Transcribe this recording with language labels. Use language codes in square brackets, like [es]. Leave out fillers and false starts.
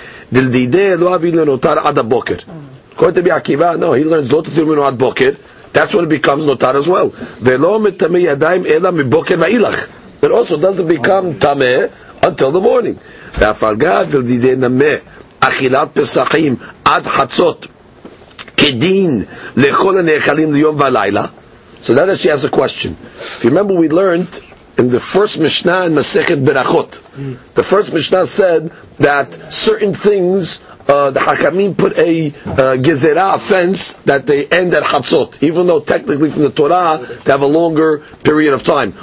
[en] According to Rabbi Akiva, no, he learns lot of [he] Tirmino ad boker. [en] That's when it becomes notar as well. It also doesn't become tameh until the morning. [he] אכילת פסחים עד חצות כדין לכל הנאכלים ליום ולילה. [en] So that is, she has a question. If you remember, we learned in the first Mishnah in Masechet Berachot, the first Mishnah said that certain things, the Hakamim put a gezerah, offense, that they end at Chatzot, even though technically from the Torah they have a longer period of time.